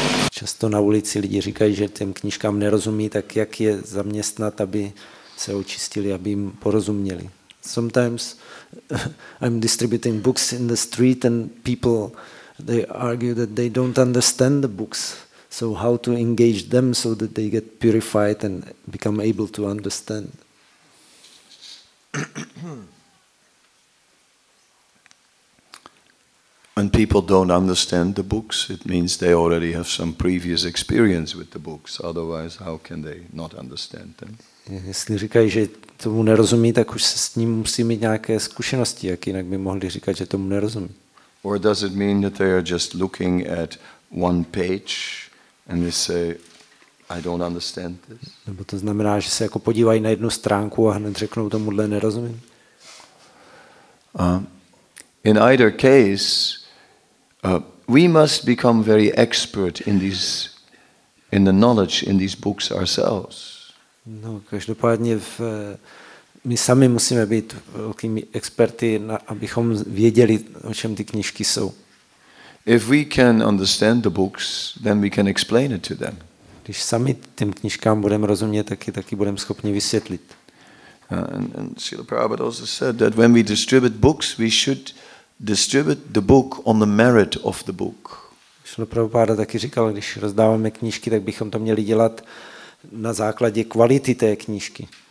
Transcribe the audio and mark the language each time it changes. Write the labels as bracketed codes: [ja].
[cs] Často na ulici lidi říkají, že těm knížkám nerozumí, tak jak je zaměstnat, aby se očistili, aby jim porozuměli. [en] Sometimes I'm distributing books in the street and people, they argue that they don't understand the books. So how to engage them so that they get purified and become able to understand? When people don't understand the books, it means they already have some previous experience with the books. Otherwise, how can they not understand them? [cs] Jestli říkají, že tomu nerozumí, tak už se s ním musí mít nějaké zkušenosti, jak jinak by mohli říkat, že tomu nerozumí. [en] Or does it mean that they are just looking at one page and they say, I don't understand this? [cs] Nebo to znamená, že se jako podívají na jednu stránku a hned řeknou tomuhle nerozumím? [en] In either case, we must become very expert in these, in the knowledge in these books ourselves. [cs] No, každopádně my sami musíme být velkými experty, abychom věděli, o čem ty knížky jsou. [en] If we can understand the books, then we can explain it to them. [cs] Když sami těm knížkám budeme rozumět, taky budeme schopni vysvětlit. [en] And Srila Prabhupada also said that when we distribute books, we should distribute the book on the merit of the book. [cs] Srila Prabhupada taky říkal, když rozdáváme knížky, tak bychom to měli dělat na základě kvality té knížky.